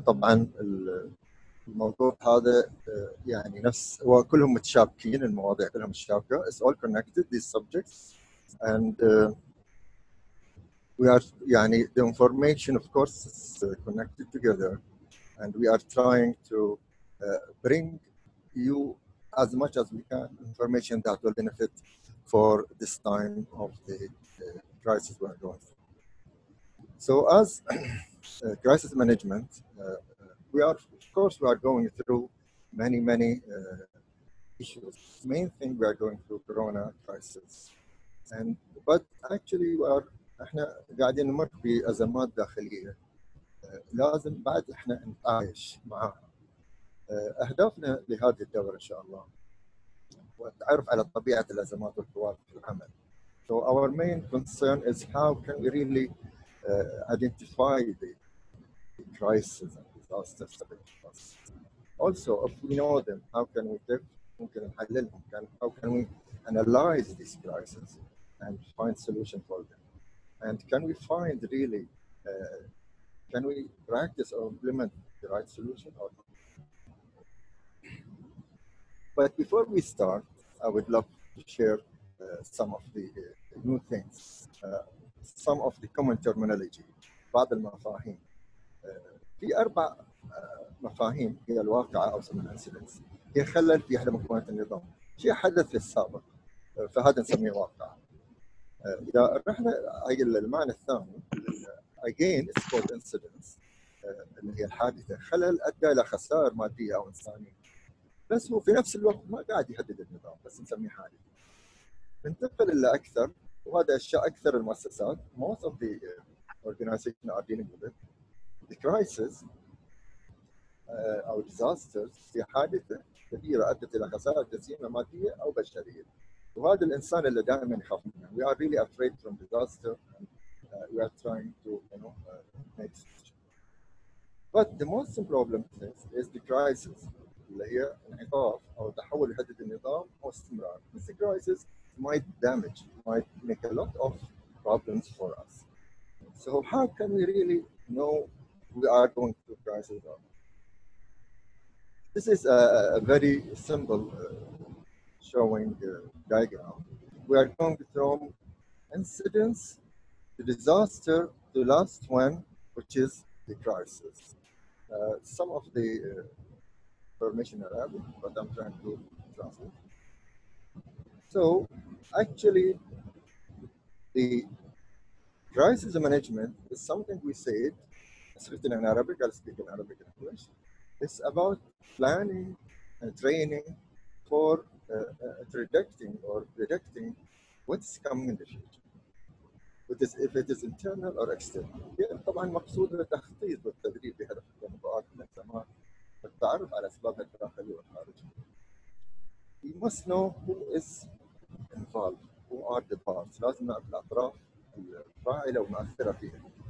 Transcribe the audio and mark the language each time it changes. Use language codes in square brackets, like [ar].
[ar] طبعا الموضوع هذا يعني نفس وكلهم متشابكين، المواضيع كلها متشابكة. [en] It's all connected these subjects and we are يعني the information of course is connected together and we are trying to bring you as much as we can information that will benefit for this time of the crisis we are going through. So as crisis management, we are of course we are going through many issues. Main thing we are going through corona crisis, and but actually we are [ar] احنا قاعدين نمر بأزمات داخلية لازم بعد احنا نتعايش معها. أهدافنا لهذه الدورة إن شاء الله والتعرف على طبيعة الأزمات والكوارث في العمل. [en] So our main concern is how can we really identify the crisis and disasters that we face. Also, if we know them, how can we take [ar] ممكن نحللهم؟ [en] How can we analyze these crises and find solution for them? And can we find really, can we practice or implement the right solution or not? But before we start, I would love to share some of the new things, some of the common terminology, [ar] بعض المفاهيم. في أربع مفاهيم هي الواقعة أو [en] some incidents. [ar] هي خلل في أحد مكونات النظام. شيء حدث في السابق فهذا نسميه واقعة. إذا رحنا أي المعنى الثاني [en] again it's called incidents [ar] اللي هي الحادثة، خلل أدى إلى خسائر مادية أو إنسانية بس هو في نفس الوقت ما قاعد يهدد النظام بس نسميه حادثة. ننتقل إلى أكثر وهذا أشياء أكثر المؤسسات [en] most of the organization are dealing with it. [ar] The crisis أو disasters هي حادثة كبيرة أدت إلى خسائر جسيمة مادية أو بشرية. وهذا الإنسان اللي دائما يخاف منه. [en] We are really afraid from disaster and we are trying to, you know, make decisions. But the most problem is the crisis [ar] اللي هي انعطاف أو تحول يهدد النظام أو استمرار. [en] This crisis might damage, might make a lot of problems for us. So how can we really know we are going through crisis or not? This is a very simple showing the diagram. We are going from incidents to disaster to last one, which is the crisis. Some of the information in Arabic, but I'm trying to translate. So actually, the crisis management is something we said, it's written in Arabic, I'll speak in Arabic and English. It's about planning and training for predicting or predicting what's coming in the future, which is if it is internal or external. [ar] Yeah, طبعا مقصود التخطيط والتدريب بهدف الموضوعات والأزمات والتعرف على أسبابها الداخلية والخارجية. [en] We must know who is involved, who are the parts. [ar] لازم نعرف الأطراف الفاعلة ومؤثرة فيها.